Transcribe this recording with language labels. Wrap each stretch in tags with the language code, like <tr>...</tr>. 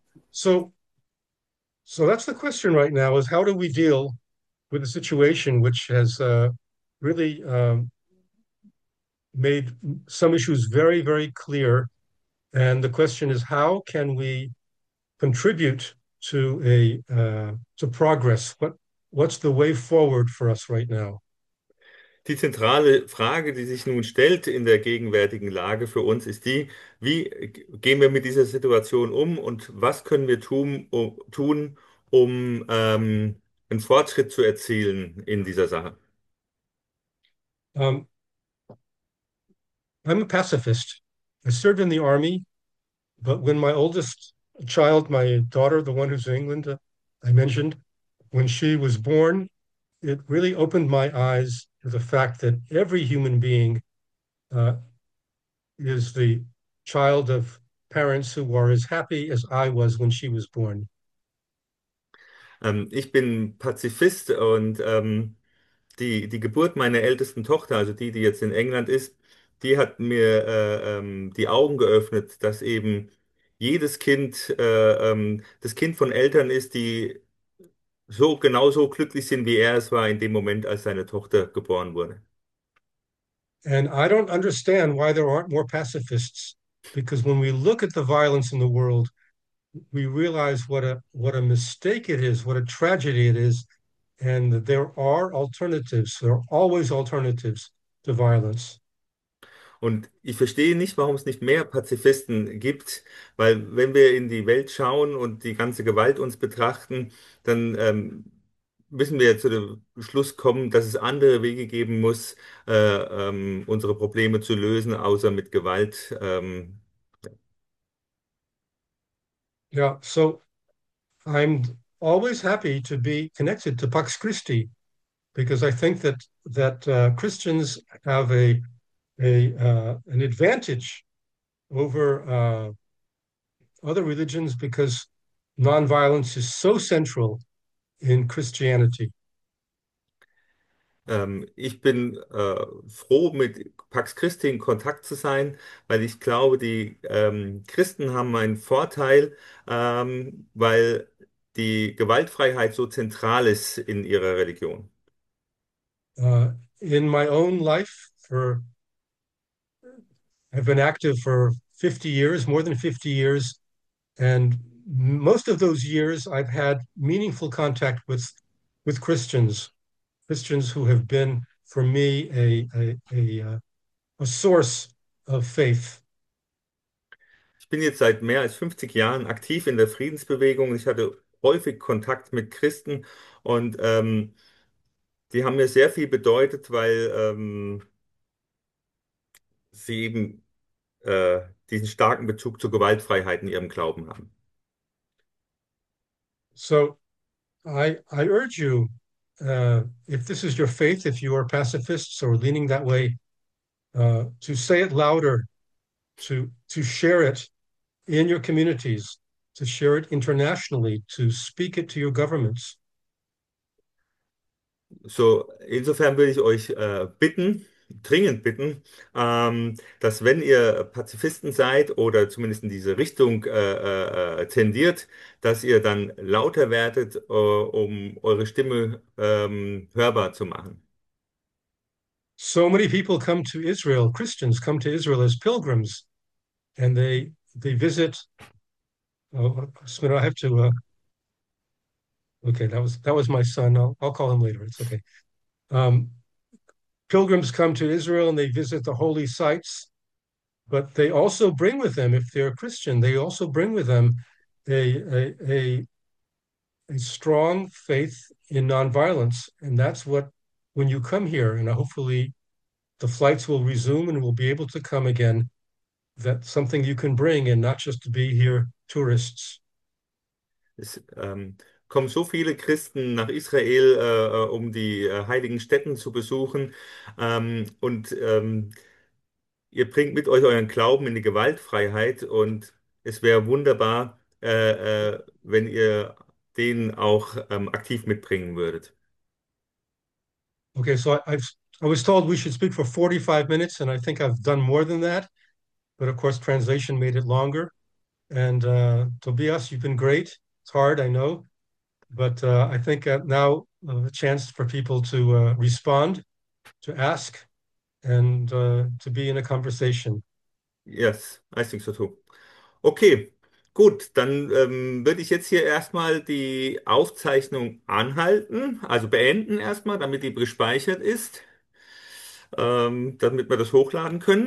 <en>So that's the question right now, is how do we deal with a situation which has really made some issues very, very clear. And the question is, how can we contribute to to progress? What's the way forward for us right now?</en> <de>Die zentrale Frage, die sich nun stellt in der gegenwärtigen Lage für uns, ist die, wie gehen wir mit dieser Situation um und was können wir tun, um einen Fortschritt zu erzielen in dieser Sache?</de> <en>I'm a pacifist. I served in the army, but when my oldest child, my daughter, the one who's in England, I mentioned, when she was born, it really opened my eyes to the fact that every human being is the child of parents who are as happy as I was when she was born.</en> <de>Ich bin Pazifist und die Geburt meiner ältesten Tochter, also die jetzt in England ist, die hat mir die Augen geöffnet, dass eben jedes Kind das Kind von Eltern ist, die so genauso glücklich sind, wie er es war in dem Moment, als seine Tochter geboren wurde.</de> <en>And I don't understand why there aren't more pacifists, because when we look at the violence in the world, we realize what a mistake it is, what a tragedy it is, and that there are alternatives. There are always alternatives to violence.</en> <de>Und ich verstehe nicht, warum es nicht mehr Pazifisten gibt, weil wenn wir in die Welt schauen und die ganze Gewalt uns betrachten, dann müssen wir ja zu dem Schluss kommen, dass es andere Wege geben muss, unsere Probleme zu lösen, außer mit Gewalt.</de> <en>Yeah, so I'm always happy to be connected to Pax Christi, because I think that Christians have an advantage over other religions, because nonviolence is so central in Christianity?</en> <de>Ich bin froh, mit Pax Christi in Kontakt zu sein, weil ich glaube, die Christen haben einen Vorteil, weil die Gewaltfreiheit so zentral ist in ihrer Religion.</de> <en>In my own life, for I've been active for 50 years, more than 50 years, and most of those years I've had meaningful contact with Christians who have been for me a source of faith.</en> <de>Ich bin jetzt seit mehr als 50 Jahren aktiv in der Friedensbewegung. Ich hatte häufig Kontakt mit Christen und die haben mir sehr viel bedeutet, weil sie eben diesen starken Bezug zur Gewaltfreiheit in ihrem Glauben haben.</de> <en>So I urge you, if this is your faith, if you are pacifists or leaning that way, to say it louder, to share it in your communities, to share it internationally, to speak it to your governments.</en> <de>So, insofern will ich euch bitten, dringend bitten, dass wenn ihr Pazifisten seid oder zumindest in diese Richtung tendiert, dass ihr dann lauter werdet, um eure Stimme hörbar zu machen.</de> <en>So many people come to Israel, Christians come to Israel as pilgrims, and they visit. Oh, I have to. Okay, that was my son. I'll call him later. It's okay. Pilgrims come to Israel and they visit the holy sites, but they also bring with them, if they're a Christian, they also bring with them a strong faith in nonviolence. And that's what, when you come here, and hopefully the flights will resume and we'll be able to come again. That's something you can bring and not just to be here tourists.</en> <de>Es kommen so viele Christen nach Israel, um die heiligen Stätten zu besuchen. Ihr bringt mit euch euren Glauben in die Gewaltfreiheit. Und es wäre wunderbar, wenn ihr den auch aktiv mitbringen würdet.</de> <en>Okay, so I was told we should speak for 45 minutes, and I think I've done more than that. But of course, translation made it longer. And Tobias, you've been great. It's hard, I know. But I think now a chance for people to respond, to ask, and to be in a conversation. Yes, I think so too.</en> <de>Okay, gut, dann würde ich jetzt hier erstmal die Aufzeichnung anhalten, also beenden erstmal, damit die gespeichert ist, damit wir das hochladen können.</de>